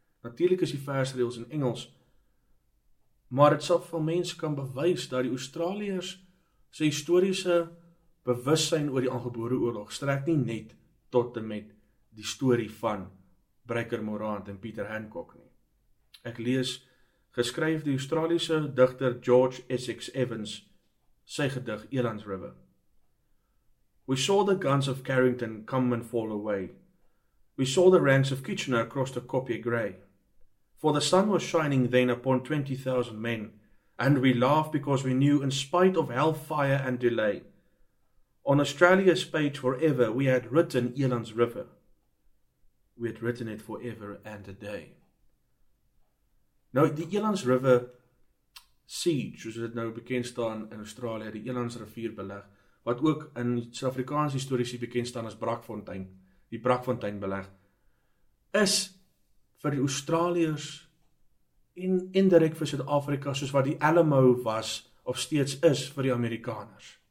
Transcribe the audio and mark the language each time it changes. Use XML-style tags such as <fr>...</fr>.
<af>Natuurlik is die versreels in Engels, maar dit sal vir mense kan bewys dat die Australiërs se historiese bewussyn oor die aangebore oorlog strek nie net tot en met die storie van Breyker Morant en Peter Hancock nie. Ek lees geskryf die Australiese digter George Essex Evans sy gedig Elandsrivier.</af> <en>We saw the guns of Carrington come and fall away. We saw the ranks of Kitchener cross the Kopje Grey. For the sun was shining then upon 20,000 men, and we laughed because we knew, in spite of hellfire and delay, on Australia's page forever we had written Elandsrivier. We had written it forever and a day.</en> <af>Nou, die Elandsrivier siege, soos dit nou bekend staan in Australië, die Elandsrivier beleg, wat ook in Suid-Afrikaanse historiese bekend staan as Brakfontein, die Brakfontein beleg, is vir die Australiërs en indirek vir Suid-Afrika, soos wat die Alamo was, of steeds is, vir die Amerikaners.</af>